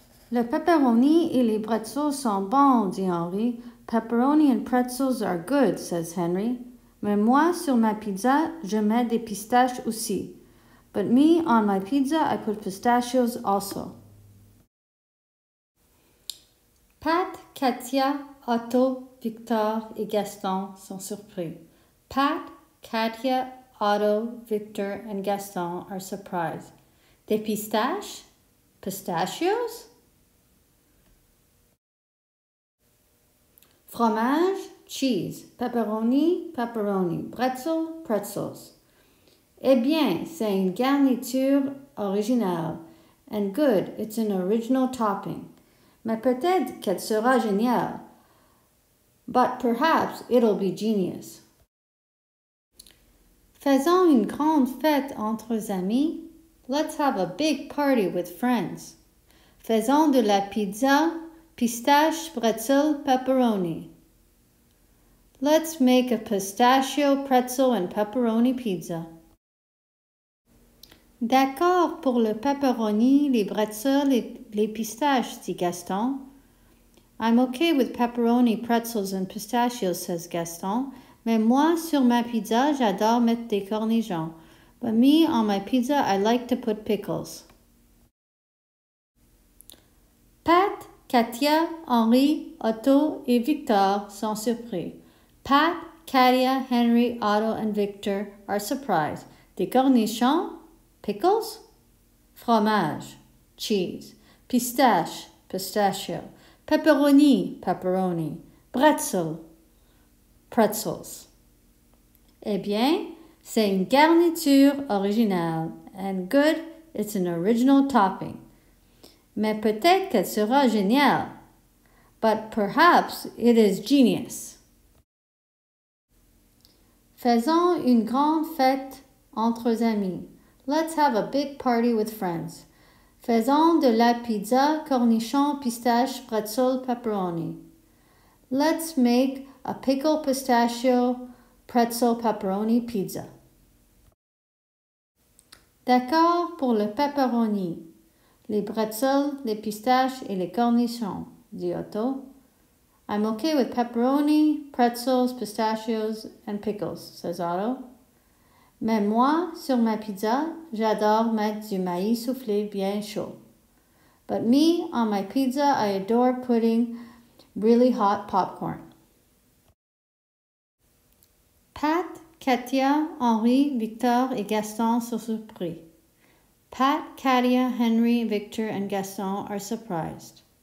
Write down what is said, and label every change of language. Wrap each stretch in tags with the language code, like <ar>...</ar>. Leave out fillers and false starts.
<fr>Le pepperoni et les pretzels sont bons, dit Henri.</fr> <en>Pepperoni and pretzels are good, says Henry.</en> <fr>Mais moi, sur ma pizza, je mets des pistaches aussi.</fr> <en>But me, on my pizza, I put pistachios also.</en> <fr>Pat, Katia, Otto, Victor et Gaston sont surpris.</fr> <en>Pat, Katia, Otto, Victor and Gaston are surprised.</en> <fr>Des pistaches? Pistachios?</fr> <en>Fromage? Cheese, pepperoni, pretzels.</en> <fr>Eh bien, c'est une garniture originale.</fr> <en>And good, it's an original topping.</en> <fr>Mais peut-être qu'elle sera géniale.</fr> <en>But perhaps it'll be genius.</en> <fr>Faisons une grande fête entre amis.</fr> <en>Let's have a big party with friends.</en> <fr>Faisons de la pizza, pistache, pretzel, pepperoni.</fr> <en>Let's make a pistachio, pretzel, and pepperoni pizza.</en> <fr>D'accord pour le pepperoni, les bretzels et les pistaches, dit Gaston.</fr> <en>I'm okay with pepperoni, pretzels and pistachios, says Gaston.</en> <fr>Mais moi, sur ma pizza, j'adore mettre des cornichons.</fr> <en>But me, on my pizza, I like to put pickles.</en> <fr>Pat, Katia, Henri, Otto et Victor sont surpris.</fr> <en>Pat, Katia, Henry, Otto and Victor are surprised. Des cornichons? Pickles? Fromage? Cheese? Pistache? Pistachio? Pepperoni? Pepperoni? Pretzel? Pretzels?</en> <fr>Eh bien, c'est une garniture originale.</fr> <en>And good, it's an original topping.</en> <fr>Mais peut-être qu'elle sera géniale.</fr> <en>But perhaps it is genius.</en> <fr>Faisons une grande fête entre amis.</fr> <en>Let's have a big party with friends.</en> <fr>Faisons de la pizza, cornichon, pistache, pretzel, pepperoni.</fr> <en>Let's make a pickle, pistachio, pretzel, pepperoni pizza.</en> <fr>D'accord pour le pepperoni, les pretzels, les pistaches et les cornichons, dit Otto.</fr> <en>I'm okay with pepperoni, pretzels, pistachios and pickles, says Otto.</en> <fr>Mais moi, sur ma pizza, j'adore mettre du maïs soufflé bien chaud.</fr> <en>But me, on my pizza, I adore putting really hot popcorn.</en> <fr>Pat, Katia, Henri, Victor et Gaston sont surpris.</fr> <en>Pat, Katia, Henry, Victor and Gaston are surprised.</en>